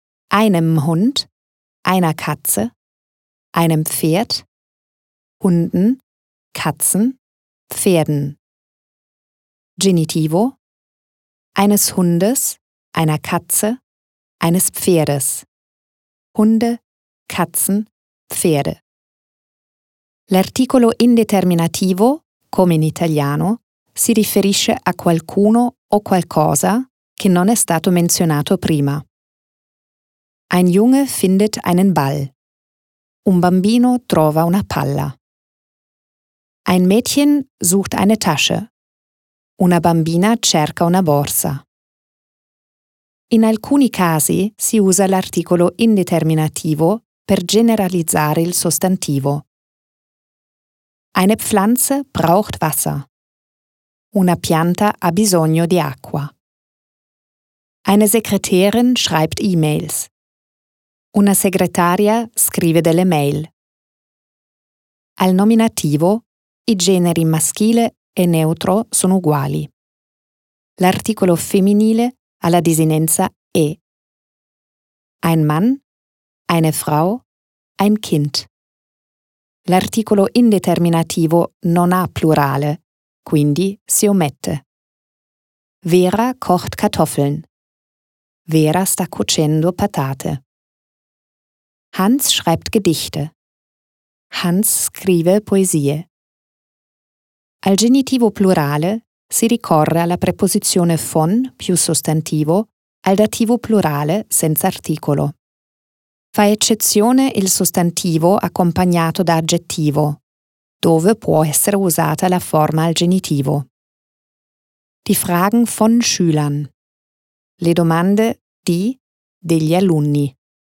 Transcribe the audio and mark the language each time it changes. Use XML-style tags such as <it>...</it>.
<de>Einem Hund, einer Katze, einem Pferd, Hunden, Katzen, Pferden. Genitivo. Eines Hundes, einer Katze, eines Pferdes. Hunde, Katzen, Pferde.</de> <it>L'articolo indeterminativo, come in italiano, si riferisce a qualcuno o qualcosa che non è stato menzionato prima.</it> <de>Ein Junge findet einen Ball.</de> <it>Un bambino trova una palla.</it> <de>Ein Mädchen sucht eine Tasche.</de> <it>Una bambina cerca una borsa. In alcuni casi si usa l'articolo indeterminativo per generalizzare il sostantivo.</it> <de>Eine Pflanze braucht Wasser.</de> <it>Una pianta ha bisogno di acqua.</it> <de>Eine Sekretärin schreibt E-Mails.</de> <it>Una segretaria scrive delle mail. Al nominativo, i generi maschile e neutro sono uguali. L'articolo femminile ha la desinenza e.</it> <de>Ein Mann, eine Frau, ein Kind.</de> <it>L'articolo indeterminativo non ha plurale, quindi si omette.</it> <de>Vera kocht Kartoffeln.</de> <it>Vera sta cucendo patate.</it> <de>Hans schreibt Gedichte.</de> <it>Hans scrive poesie. Al genitivo plurale si ricorre alla preposizione von più sostantivo al dativo plurale senza articolo. Fa eccezione il sostantivo accompagnato da aggettivo, dove può essere usata la forma al genitivo.</it> <de>Die Fragen von Schülern.</de> <it>Le domande di, degli alunni.</it>